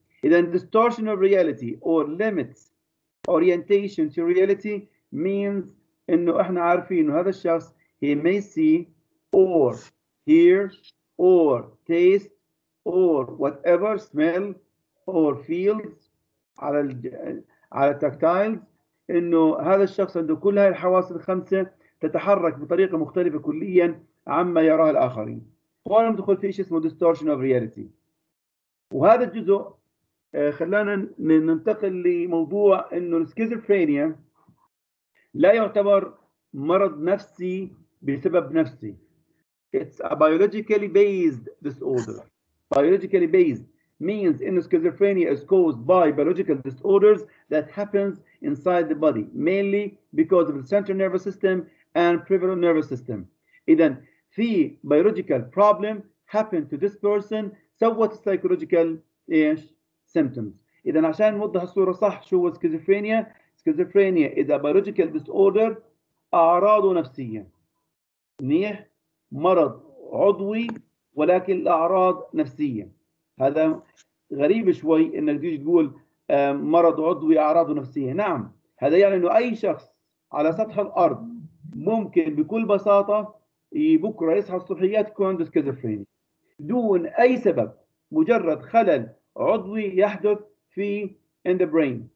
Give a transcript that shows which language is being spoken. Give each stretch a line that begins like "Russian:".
Arabic: إذن
English: distortion of reality or limits orientation to reality means
Arabic: أنه إحنا عارفين أنه هذا الشخص
English: he may see or hear or taste or whatever smell or feel
Arabic: على tactile, أنه هذا الشخص عنده كل هذه الحواس الخمسة تتحرك بطريقة مختلفة كلياً عما يراه الآخرين. هون ندخل في شيء اسمه
English: distortion of reality.
Arabic: وهذا الجزء خلانا ننتقل لموضوع أنه السكيزوفرينيا لا يعتبر مرض نفسي بسبب نفسي.
English: It's a biologically based disorder. Biologically based means إنه schizophrenia is caused by biological disorders that happens inside the body, mainly because of the central nervous system and peripheral nervous system.
Arabic: إذن في
English: biological problem happened to this person, so what psychological symptoms.
Arabic: إذن عشان نوضح الصورة صح شو هو schizophrenia.
English: Schizophrenia is a biological disorder,
Arabic: أعراضه نفسية. منيح؟ مرض عضوي ولكن الأعراض نفسية. هذا غريب شوي إنك تيجي تقول مرض عضوي أعراضه نفسية. نعم، هذا يعني إنه أي شخص على سطح الأرض ممكن بكل بساطة بكرة يصحى الصبح يكون عنده سكيزوفرينيا دون أي سبب، مجرد خلل عضوي يحدث في
English: in the brain.